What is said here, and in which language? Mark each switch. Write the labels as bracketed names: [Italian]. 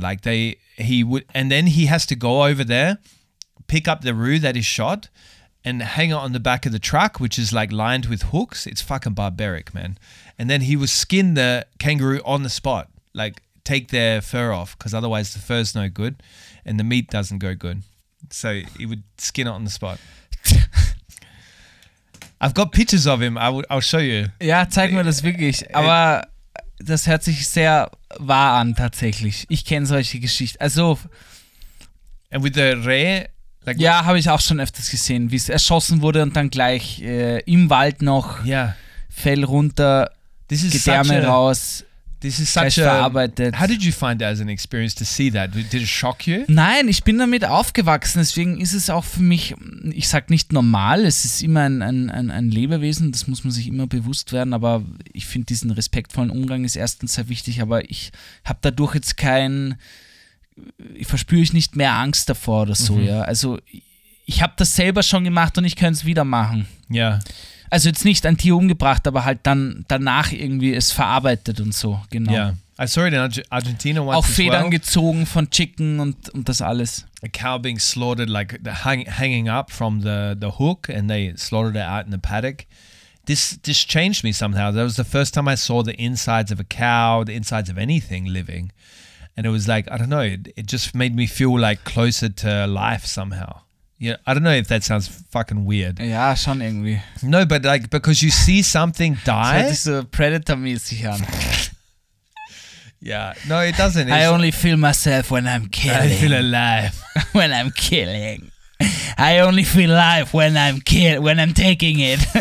[English] Like then he has to go over there, pick up the roux that he shot, and hang it on the back of the truck, which is like lined with hooks. It's fucking barbaric, man. And then he would skin the kangaroo on the spot, like take their fur off, because otherwise the fur's no good, and the meat doesn't go good. So he would skin it on the spot. I've got pictures of him. I'll show you. [German] Ja, zeig mir das wirklich. Aber das hört sich sehr wahr an, tatsächlich. Ich kenne solche Geschichten. Also. [English] And with the Reh? [German] Like, ja, habe ich auch schon öfters gesehen, wie es erschossen wurde und dann gleich im Wald noch Fell runter, Gedärme raus. [English] This is such [German] verarbeitet. [English] How did you find that as an experience to see that? Did it shock you? [German] Nein, ich bin damit aufgewachsen. Deswegen ist es auch für mich, ich sage nicht normal, es ist immer ein Lebewesen, das muss man sich immer bewusst werden. Aber ich finde diesen respektvollen Umgang ist erstens sehr wichtig. Aber ich habe dadurch jetzt verspüre ich nicht mehr Angst davor oder so. Mhm. Ja. Also ich habe das selber schon gemacht und ich könnte es wieder machen. Ja. Also jetzt nicht ein Tier umgebracht, aber halt dann danach irgendwie es verarbeitet und so, genau. Ja, [English] yeah. I saw it in Argentina once. [German] Auch Federn [English] as well. [German] Gezogen von Chicken und das alles. [English] A cow being slaughtered, like hanging up from the hook, and they slaughtered it out in the paddock. This changed me somehow. That was the first time I saw the insides of a cow, the insides of anything living. And it was like, I don't know, it just made me feel like closer to life somehow. Yeah, I don't know if that sounds fucking weird. [German] Ja, schon irgendwie. [English] No, but like, because you see something die. [German] Das hört sich so Predator-mäßig an. [English] Yeah, no, it doesn't. I only feel myself when I'm killing. I feel alive. When I'm killing. I only feel alive when I'm when I'm taking it.